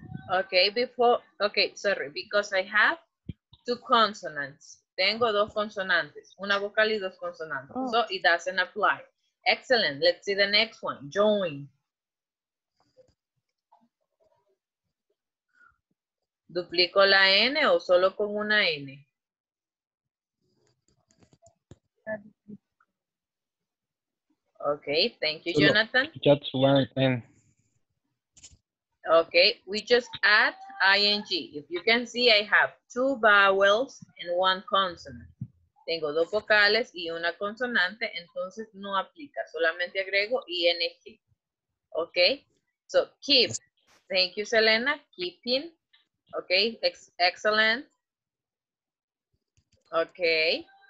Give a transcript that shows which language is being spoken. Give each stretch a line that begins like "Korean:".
English: Okay, before, okay, sorry, because I have two consonants.
Spanish: Tengo dos consonantes, una vocal y dos consonantes. Oh. So it doesn't apply.
English: Excellent, let's see the next one. Join.
Spanish: ¿Duplico la N o solo con una N?
English: Okay, thank you, Jonathan. Just one N. Okay, we just add ing. If you can see, I have two vowels and one consonant.
Spanish: Tengo dos vocales y una consonante, entonces no aplica.
English: Solamente agrego ing. Okay, so keep. Thank you, Selena. Keeping. Okay, excellent. Okay.